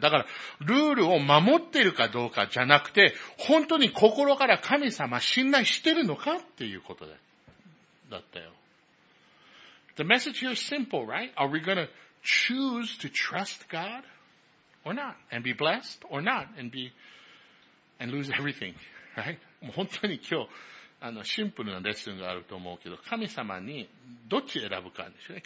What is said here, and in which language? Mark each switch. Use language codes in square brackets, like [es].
[ja] だから、ルールを守ってるかどうかじゃなくて、本当に心から神様信頼してるのかっていうことで。 [en] The message here is simple, right? Are we going to choose to trust God or not? And be blessed or not? And lose everything, right? [ja] 本当に今日、シンプルなレッスンがあると思うけど、神様にどっち選ぶかでしょうね。